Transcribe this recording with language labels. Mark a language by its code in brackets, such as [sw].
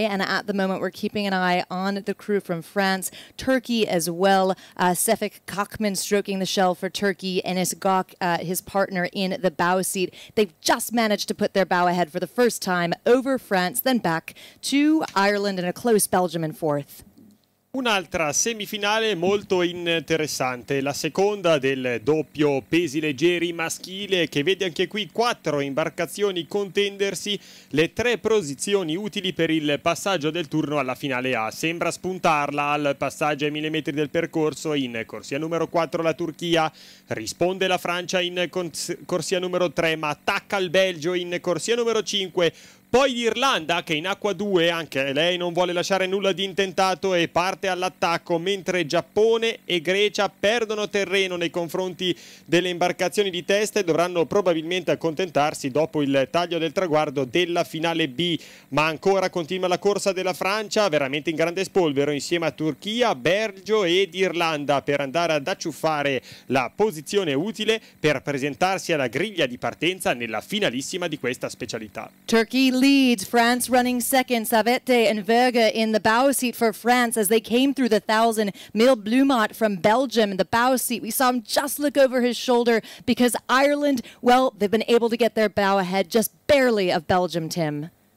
[en] And at the moment, we're keeping an eye on the crew from France, Turkey as well. Sefik Kakman stroking the shell for Turkey, Enis Gok, his partner in the bow seat. They've just managed to put their bow ahead for the first time over France, then back to Ireland and a close Belgium in fourth. [it] Un'altra semifinale molto interessante, la seconda del doppio pesi leggeri maschile, che vede anche qui quattro imbarcazioni contendersi le tre posizioni utili per il passaggio del turno alla finale A. Sembra spuntarla al passaggio ai 1000 metri del percorso in corsia numero 4 la Turchia, risponde la Francia in corsia numero 3, ma attacca il Belgio in corsia numero 5. Poi l'Irlanda, che in acqua 2, anche lei non vuole lasciare nulla di intentato e parte all'attacco, mentre Giappone e Grecia perdono terreno nei confronti delle imbarcazioni di testa e dovranno probabilmente accontentarsi dopo il taglio del traguardo della finale B. Ma ancora continua la corsa della Francia, veramente in grande spolvero, insieme a Turchia, Belgio ed Irlanda, per andare ad acciuffare la posizione utile per presentarsi alla griglia di partenza nella finalissima di questa specialità. [en] Turkey leads, France running second, Savette and Verga in the bow seat for France as they came through the 1000. Mil Blumot from Belgium in the bow seat. We saw him just look over his shoulder because Ireland, well, they've been able to get their bow ahead just barely of Belgium, Tim.